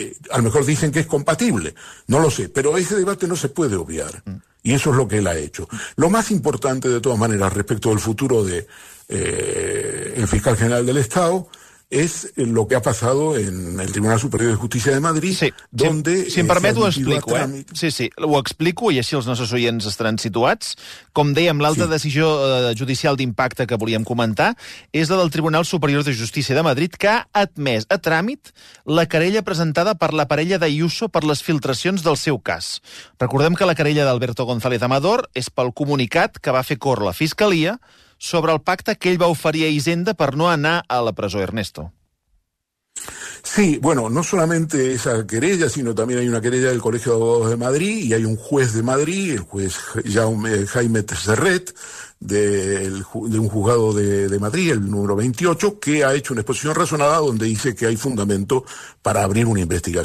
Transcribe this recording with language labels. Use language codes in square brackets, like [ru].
[es] A lo mejor dicen que es compatible, no lo sé. Pero ese debate no se puede obviar, y eso es lo que él ha hecho. Lo más importante, de todas maneras, respecto del futuro de el fiscal general del Estado... es lo que ha pasado en el Tribunal Superior de Justícia de Madrid, sí. Donde... [ca] Si em permet, ho explico, tràmit... Sí, sí, ho explico, i així els nostres oients estaran situats. Com dèiem, l'altra decisió judicial d'impacte que volíem comentar és la del Tribunal Superior de Justícia de Madrid, que ha admès a tràmit la querella presentada per la parella d'Ayuso per les filtracions del seu cas. Recordem que la querella d'Alberto González Amador és pel comunicat que va fer córrer la Fiscalia sobre el pacte que ell va oferir a Hisenda per no anar a la presó, Ernesto. [es] Sí, bueno, no solamente esa querella, sino también hay una querella del Colegio de Abogados de Madrid y hay un juez de Madrid, el juez Jaime Tesserret, de un juzgado de Madrid, el número 28, que ha hecho una exposición razonada donde dice que hay fundamento para abrir una investigación.